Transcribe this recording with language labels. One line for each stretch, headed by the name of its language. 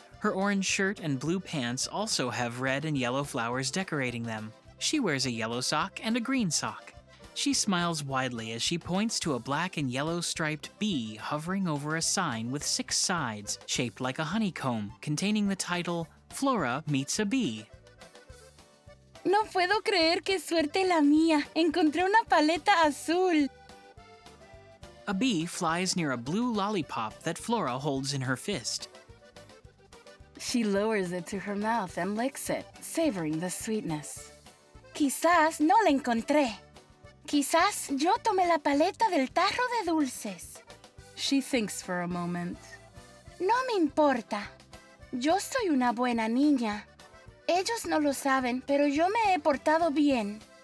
English: Her orange shirt and blue pants also have red and yellow flowers decorating them. She wears a yellow sock and a green sock. She smiles widely as she points to a black and yellow striped bee hovering over a sign with 6 sides, shaped like a honeycomb, containing the title, Flora Meets a Bee.
Spanish: No puedo creer que suerte la mía. Encontré una paleta azul.
English: A bee flies near a blue lollipop that Flora holds in her fist. She lowers it to her mouth and licks it, savoring the sweetness.
Spanish: Quizás no la encontré. Quizás yo tomé la paleta del tarro de dulces.
English: She thinks for a moment.
Spanish: No me importa. Yo soy una buena niña. Ellos no lo saben, pero yo me he portado bien.